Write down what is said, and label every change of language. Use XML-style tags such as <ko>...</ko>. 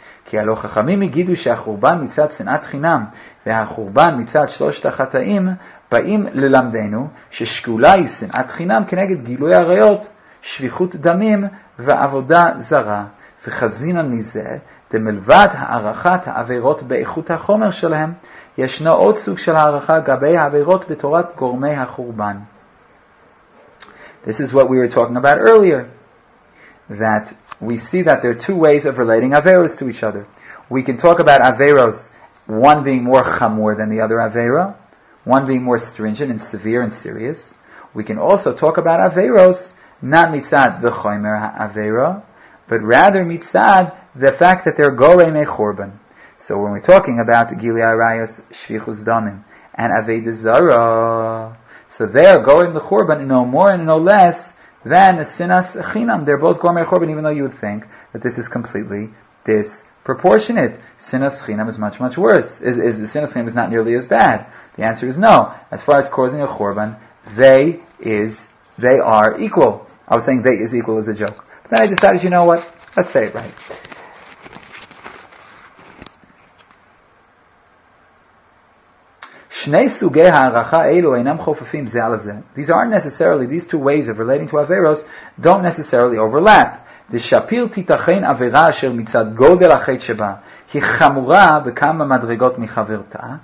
<he>כי הלא חכמים יגידו שהחורבן מצד שנאת חינם והחורבן מצד שלושת החטאים באים ללמדנו ששקולה היא שנאת חינם כנגד גילוי עריות, שפיכות דמים ועבודה זרה. וחזינה מזה, דמלבד הערכת העבירות באיכות החומר שלהם, ישנו עוד סוג של הערכה גבי העבירות בתורת גורמי החורבן.</he> <en>This is what we were talking about earlier, that we see that there are two ways of relating averos to each other. We can talk about averos, one being more chamor than the other avera, one being more stringent and severe and serious. We can also talk about averos, not</en> <he>mitzad v'choymer ha'avera,</he> <en>but rather mitzad the fact that they're gorei mechorban. So when we're talking about gilui arayos, shvichus damim, and avedah zarah, so they are gorei mechorban no more and no less than sinas chinam. They're both gorei mechorban, even though you would think that this is completely disproportionate. Sinas chinam is much, much worse. Sinas chinam is not nearly as bad. The answer is no. As far as causing a chorban, they are equal. I was saying they is equal as a joke. But then I decided, you know what? Let's say it right.</en> <he>שני סוגי הערכה אלו אינם חופפים זה על זה.</he> <en>These aren't necessarily, these two ways of relating to averos don't necessarily overlap.</en> <he>דשפיר תיתכן עבירה אשר מצד גודל החטא שבה היא חמורה בכמה מדרגות מחברתה.</he>